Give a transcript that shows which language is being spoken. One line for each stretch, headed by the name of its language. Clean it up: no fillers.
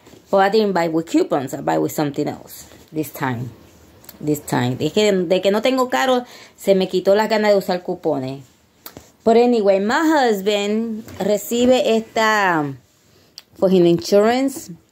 English: But I didn't buy with coupons. I buy with something else. This time.
Spanish: De que no tengo carro, se me quitó las ganas de usar cupones.
English: But anyway, my husband
Spanish: recibe esta
English: for his insurance.